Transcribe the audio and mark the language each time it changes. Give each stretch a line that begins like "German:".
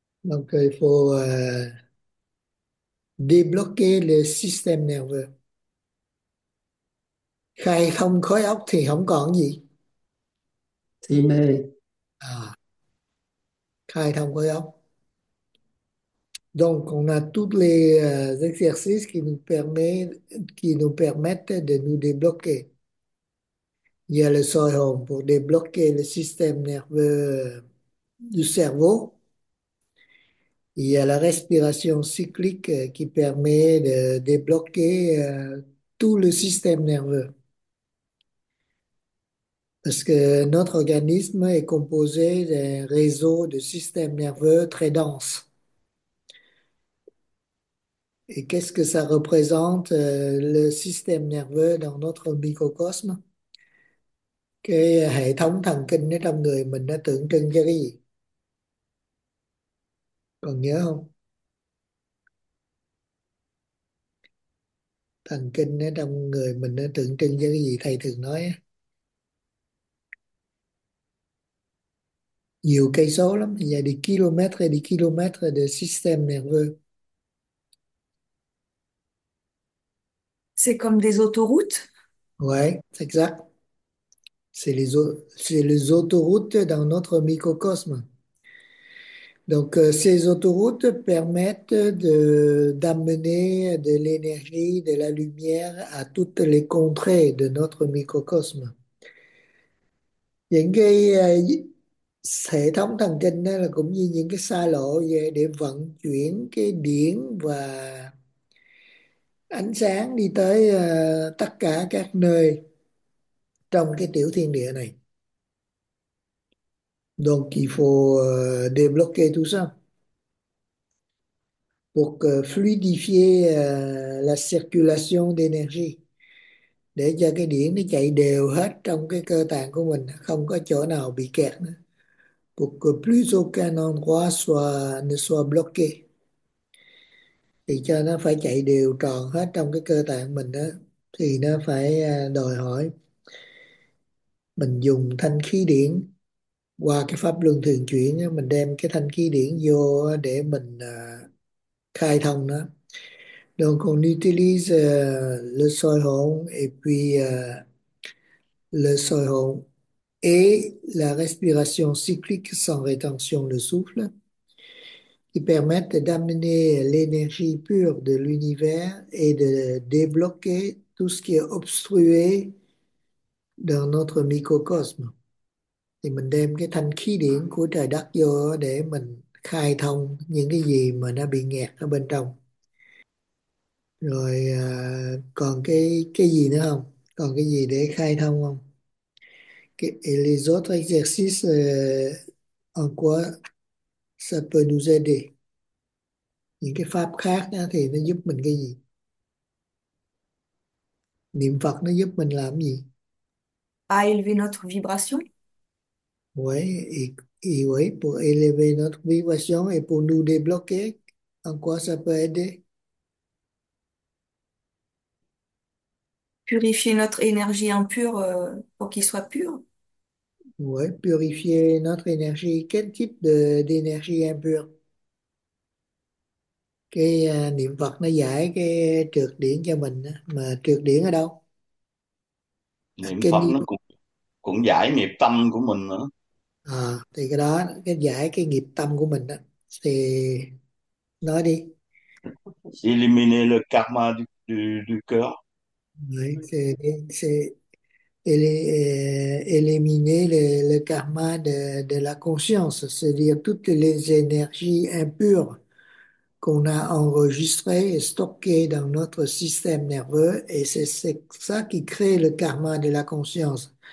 French: Ok, faut débloquer le système nerveux.
Vietnamese: Khai thông khối óc thì không còn gì. Thì mê. À, khai thông khối óc.
French: Donc, on a tous les exercices qui nous permettent de nous débloquer. Il y a le soi home pour débloquer le système nerveux du cerveau. Il y a la respiration cyclique qui permet de débloquer tout le système nerveux. Parce que notre organisme est composé d'un réseau de systèmes nerveux très dense. Et qu'est-ce que ça représente, le système nerveux dans notre microcosme?
Vietnamese: Cái hệ thống thần kinh ở trong người mình nó tượng trưng cho cái gì? Còn nhớ không? Thần kinh ở trong người mình nó tượng trưng cho cái gì thầy thường nói? Nhiều cây số lắm, giờ đi km đi km để système nerveux.
French: C'est comme des autoroutes. Ouais, c'est exact. C'est les autoroutes dans notre microcosme. Donc, ces autoroutes permettent d'amener de l'énergie, de la lumière à toutes les contrées de notre microcosme. Những cái hệ thống thần kinh đó là cũng như những cái xa lộ để vận chuyển cái điện và ánh sáng đi tới tất cả các nơi trong cái tiểu thiên địa này.
Vietnamese: Donc, il faut débloquer tout ça pour fluidifier la circulation d'énergie để cho cái điện nó chạy đều hết trong cái cơ tạng của mình, không có chỗ nào bị kẹt nữa.
French: Pour que plus aucun endroit ne soit bloqué.
Vietnamese: Thì cho nó phải chạy đều tròn hết trong cái cơ tạng mình đó, thì nó phải đòi hỏi mình dùng thanh khí điển qua cái pháp luân thường chuyển, mình đem cái thanh khí điển vô để mình khai thông nó.
French: Donc on utilise le soi hồn et puis le soi hồn et la respiration cyclique sans rétention de souffle qui permettent d'amener l'énergie pure de l'univers et de débloquer tout ce qui est obstrué dans notre microcosme.
Vietnamese: Thì mình đem cái thanh khí điển của trời đất vô để mình khai thông những cái gì mà nó bị nghẹt ở bên trong. Rồi còn cái gì nữa không? Còn cái gì để khai thông không?
French: Et les autres exercices, en quoi ça peut nous aider?
Vietnamese: Những cái pháp khác đó, thì nó giúp mình cái gì? Niệm Phật nó giúp mình làm gì?
French: À, élever notre vibration. Oui, et pour élever notre vibration et pour nous débloquer, en quoi ça peut aider? Purifier notre énergie impure pour qu'il soit pur. Oui, purifier notre énergie. Quel type d'énergie impure?
Vietnamese: Cái niệm Phật nó giải cái trược điển cho mình, mà trược điển ở đâu? Niệm Phật Kinh. nó cũng cũng giải nghiệp tâm của mình nữa. À, thì cái đó cái giải cái nghiệp tâm của mình đó thì nói đi.
French: Le karma du cœur. Đấy, c'est éliminer le karma de la conscience, c'est-à-dire toutes les énergies impures qu'on a enregistrées et stockées dans notre système nerveux, et c'est ça qui crée le karma de la conscience.